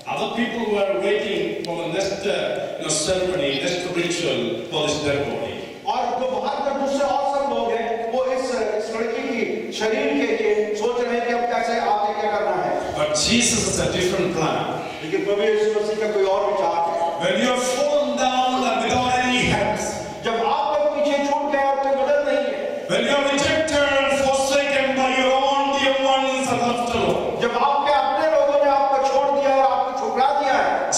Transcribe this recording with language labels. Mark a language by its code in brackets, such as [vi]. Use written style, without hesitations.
[en] that ceremony, that ritual for this dead body. [hi] और जो बाहर के दूसरे और सब लोग हैं, वो इस लड़की की शरीर के लिए सोच रहे हैं कि अब कैसे आगे क्या करना है। [en] But Jesus has a different plan. [hi] लेकिन प्रभु यीशु मसीह का कोई और विचार है। [en] When you have fallen down and without any hands, [hi] जब आप तक पीछे छूट गए और कोई मदद नहीं है। [en] When you are rejected and forsaken by your own dear ones and loved ones, [hi] जब आपके अपने लोगों ने आपको छोड़ दिया और आपको छुपा दिया है।